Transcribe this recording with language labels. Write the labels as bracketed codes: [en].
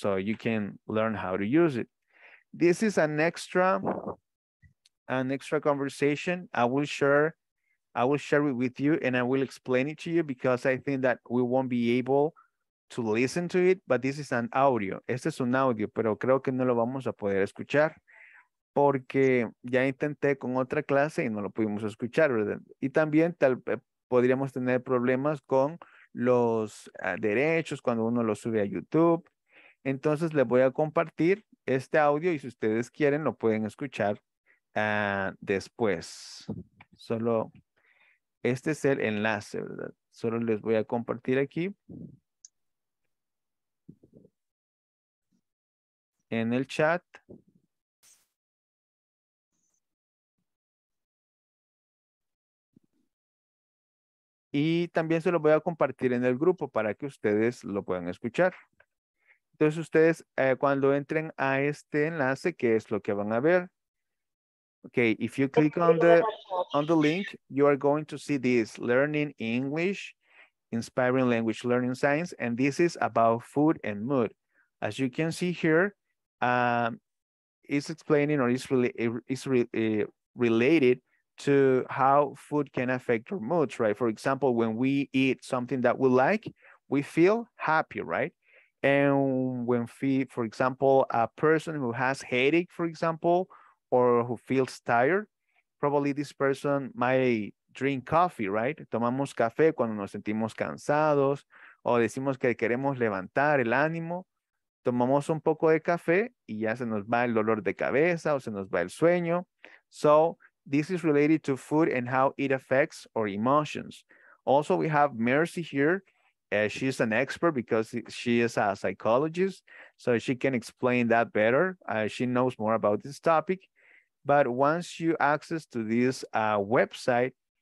[en] So you can learn how to use it. This is an extra conversation I will share it with you, and I will explain it to you because I think that we won't be able to listen to it, but this is an audio. [es] Este es un audio, pero creo que no lo vamos a poder escuchar porque ya intenté con otra clase y no lo pudimos escuchar, ¿verdad? Y también podríamos tener problemas con los derechos cuando uno lo sube a YouTube. Entonces les voy a compartir este audio y si ustedes quieren lo pueden escuchar después. Solo este es el enlace, ¿verdad? Solo les voy a compartir aquí en el chat. Y también se lo voy a compartir en el grupo para que ustedes lo puedan escuchar. Entonces ustedes cuando entren a este enlace, ¿qué es lo que van a ver? [en] Okay, if you click on the link, you are going to see this Learning English, Inspiring Language Learning Science, and this is about food and mood. As you can see here, it's explaining or it's related to how food can affect our moods, right? For example, when we eat something that we like, we feel happy, right? And when we, for example, a person who has headache, for example, or who feels tired, probably this person might drink coffee, right? [es] Tomamos café cuando nos sentimos cansados o decimos que queremos levantar el ánimo. Tomamos un poco de café y ya se nos va el dolor de cabeza o se nos va el sueño. [en] So this is related to food and how it affects our emotions. Also, we have Mercy here. She's an expert because she is a psychologist, so she can explain that better. She knows more about this topic. But once you access to this website,